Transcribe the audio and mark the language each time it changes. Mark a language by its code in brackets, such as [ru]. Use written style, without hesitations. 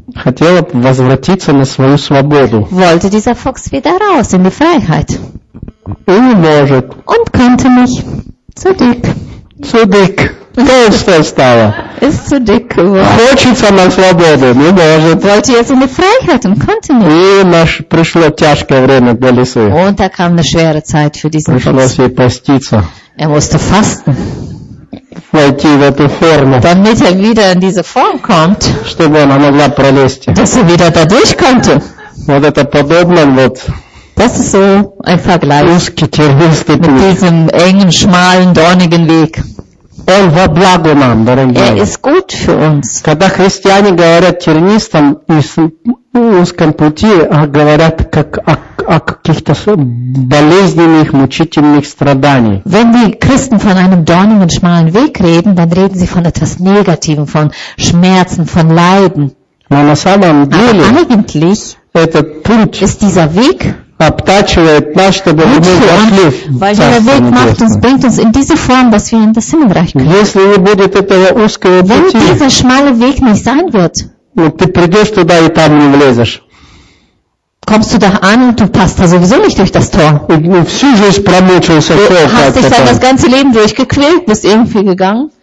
[ru] хотел возвратиться на свою свободу. [de] Wollte dieser Fuchs wieder raus in die Freiheit. [ru] И не может. [de] Und konnte nicht. Zu dick. Zu dick. [ru] Толстая стала. [de] Ist zu dick geworden. [ru] Хочется на свободу. Не может. [de] Wollte jetzt in die Freiheit und konnte nicht. [ru] И пришло тяжкое время для лисы. [de] Und da kam eine schwere Zeit für diesen Fuchs. [ru] Пришлось ей поститься. [de] Er musste fasten. [ru] войти в эту форму, [de] damit er wieder in diese Form kommt, [ru] чтобы она могла пролезть. [de] Dass er wieder dadurch konnte. [ru] Вот это подобно вот. [de] Das ist so ein Vergleich mit diesem engen, schmalen, dornigen Weg. [ru] Он во благо нам, дорогие. [de] Er ist gut für uns. [ru] Когда христиане говорят тернистом и узком пути, а говорят как о каких-то болезненных, мучительных страданиях. [de] Wenn die Christen von einem dornigen, schmalen Weg reden, dann reden sie von etwas Negativem, von Schmerzen, von Leiden. [ru] Но на самом деле, [de] aber eigentlich [ru] этот путь [de] ist dieser Weg [ru] обтачивает нас, чтобы мы вошли в Царство Небесное. Если не будет этого узкого пути, wird, ну, ты придешь туда и там не влезешь. [de] Kommst du da an und du passt da sowieso nicht durch das Tor. Du hast dich dann das ganze Leben durchgequält, bist irgendwie gegangen.